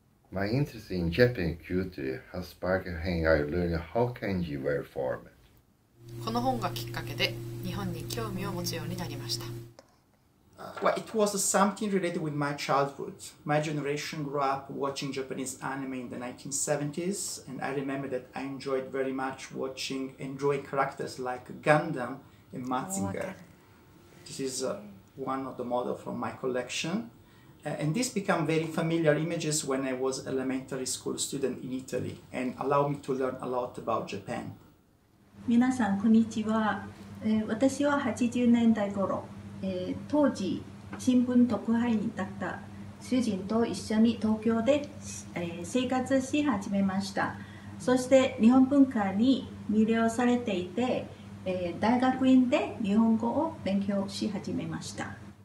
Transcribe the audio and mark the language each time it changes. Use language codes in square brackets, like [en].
[en] My interest in Japanese culture has sparked when I learned how kanji were formed. [ja] この本がきっかけで日本に興味を持つようになりました。 [en] Well, it was something related with my childhood. My generation grew up watching Japanese anime in the 1970s, and I remember that I enjoyed very much watching and drawing characters like Gundam and Mazinger. This is one of the models from my collection. And this became very familiar images when I was elementary school student in Italy and allowed me to learn a lot about Japan. [ja] 皆さんこんにちは。私は80年代頃、当時新聞特派員だった主人と一緒に東京で、生活し始めました。そして日本文化に魅了されていて、大学院で日本語を勉強し始めました。